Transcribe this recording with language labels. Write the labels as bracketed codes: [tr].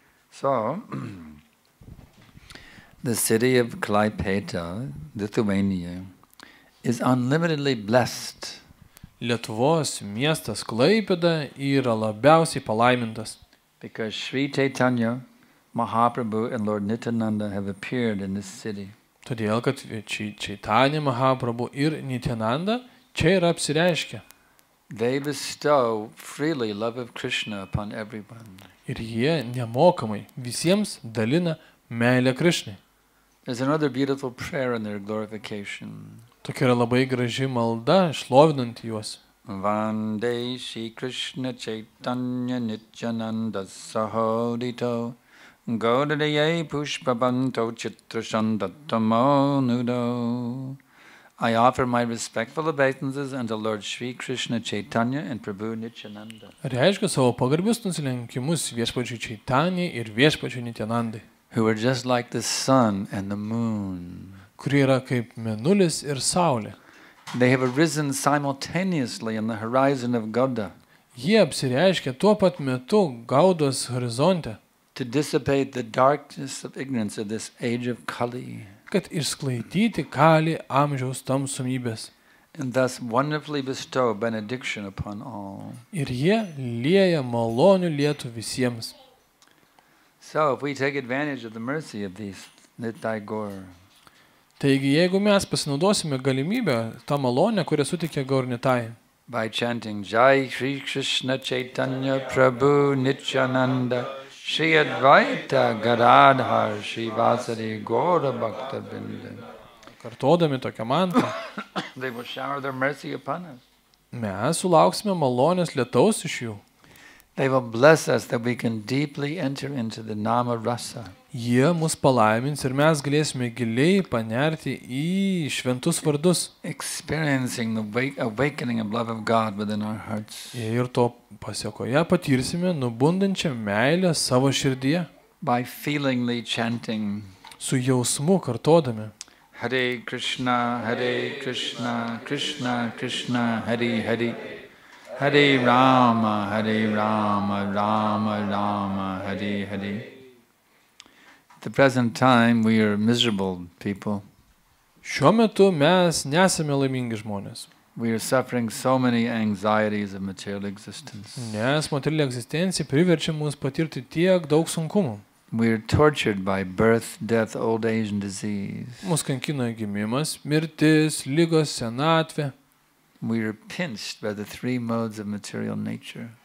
[en] So, the city of Klaipeta, Lithuania, is unlimitedly blessed. [lt] Lietuvos miestas Klaipėda yra labiausiai palaimintas. [en] Because Sri Chaitanya Mahaprabhu and Lord Nityananda have appeared in this city. [lt] Todėl, kad Chaitanya Mahaprabhu ir Nityananda čia yra apsireiškę. [en] They bestow freely love of Krishna upon everyone. [lt] Ir jie nemokamai visiems dalina meilę Krishnai. [en] There's another beautiful prayer in their glorification. [lt] Tokia yra labai graži malda, šlovinant juos. [sa] Vande Shri Krishna Chaitanya Nityananda Sahodito Gaudriye Pushpabanto Chitrashandatamo Nudo. [en] I offer my respectful obeisances unto Lord Shri Krishna Chaitanya and Prabhu Nityananda. [lt] Reiškia savo pagarbius nusilenkimus viešpačiu Chaitanya ir viešpačiu Nityanandai. [en] Who are just like the sun and the moon. [lt] Kurie yra kaip mėnulis ir saulė. [en] They have arisen simultaneously in the horizon of Gauda. [lt] Jie apsireiškia tuo pat metu Gaudos horizonte. [en] To dissipate the darkness of ignorance of this age of Kali. [lt] Kad išsklaidyti Kali amžiaus tamsumybės. [en] And thus wonderfully bestow benediction upon all. [lt] Ir jie lieja malonių lietų visiems. [en] So if we take advantage of the mercy of these Nitaigor. [lt] Taigi, jeigu mes pasinaudosime galimybę, tą malonę, kurią suteikė Gaurnitai. [en] By chanting Jai Shri Krishna Chaitanya Prabhu Nityananda Shri Advaita Garadhar Shri Vasari Gaura Bhaktavinda. [lt] kartodami tokią mantrą, [en] they will shower their mercy upon us. [lt] Mes sulauksime malonės lietaus iš jų. [en] They will bless us that we can deeply enter into the nama rasa. [lt] Jie mus palaimins ir mes galėsime giliai panerti į šventus vardus. [en] Experiencing the awakening of love of God within our hearts. [lt] Ir to pasiekoje patirsime nubundančią meilę savo širdyje. [en] By feelingly chanting. [lt] Su jausmu kartodami. [sa] Hare Krishna, Krishna Krishna, Hare Hare. Hare Rama, Hare Rama, Rama Rama, Hare Hare. [en] At the present time we are miserable people. [lt] Šiuo metu mes nesame laimingi žmonės. [en] We are suffering so many anxieties of material existence. [lt] Nes materialinė egzistencija priverčia mus patirti tiek daug sunkumų. [en] We are tortured by birth, death, old age and disease. [lt] Mus kankina gimimas, mirtis, ligos, senatvė. [en] We are pinched by the three modes of material nature.